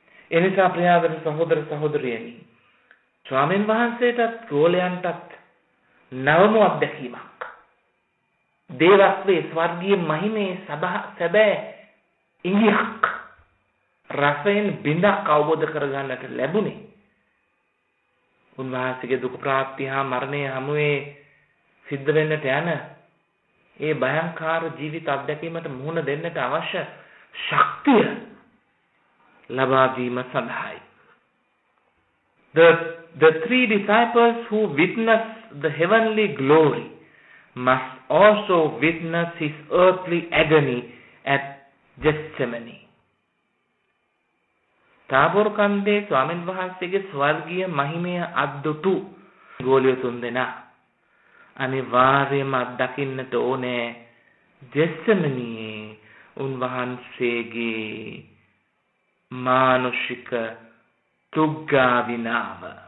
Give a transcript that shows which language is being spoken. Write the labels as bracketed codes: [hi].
[si] එනිසා ප්‍රියාදර සහෝදර සහෝදරියනි ස්වාමීන් වහන්සේටත් ගෝලයන්ටත් නවම අත්දැකීමක් දේවස්වේ ස්වර්ගීය මහිමේ සැබෑ ඉඟියක් රසයෙන් බිඳක් අවබෝධ කරගන්නට ලැබුණේ උන්වහන්සේගේ දුක ප්‍රාප්ති හා මරණය හමුවේ සිද්ධ වෙන්නට යන ඒ භයංකාර ජීවිත අත්දැකීමට මුහුණ දෙන්නට අවශ්‍ය ශක්තිය ලබා දීම සඳහායි. [en] The three disciples who witnessed the heavenly glory must also witness his earthly agony at Gethsemane. [si] තාබෝර කන්දේ ස්වාමීන් වහන්සේගේ ස්වර්ගීය මහිමය අද්දුතු ගෝලිය තුන් දෙනා අනිවාර්යයෙන්ම අත්දකින්නට ඕනේ ජෙත්සෙමනියේ උන්වහන්සේගේ මානුෂික තුග්ගා විනාම.